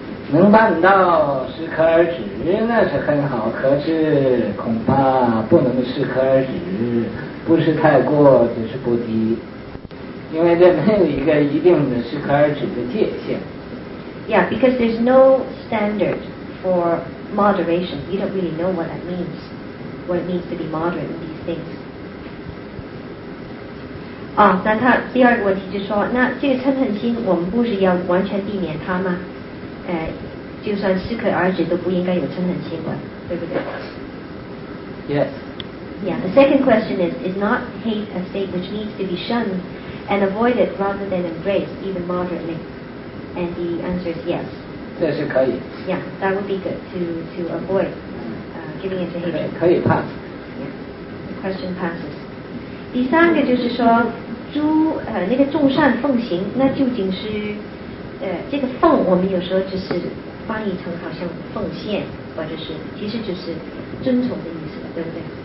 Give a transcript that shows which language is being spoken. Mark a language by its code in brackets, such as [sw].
[zh] 能办到适可而止那是很好，可是恐怕不能适可而止，不是太过就是不低，因为这没有一个一定的适可而止的界限。 [en] Yeah, because there's no standard for moderation. You don't really know what that means, what it means to be moderate in these things. [zh] 那他第二个问题就是说，那这个嗔恨心我们不是要完全避免它吗？就算适可而止都不应该有嗔恨心的，对不对？ [en] Yes. Yeah, the second question is not hate a state which needs to be shunned and avoided rather than embraced, even moderately? And the answer is yes. [zh] 这是可以。 [en] Yeah, that would be good to avoid giving it to hatred. [zh] 可以 [en] pass. The question passes. [zh] 第三个就是说，那个众善奉行，那究竟是这个奉，我们有时候就是翻译成好像奉献，或者是其实就是遵从的意思，对不对？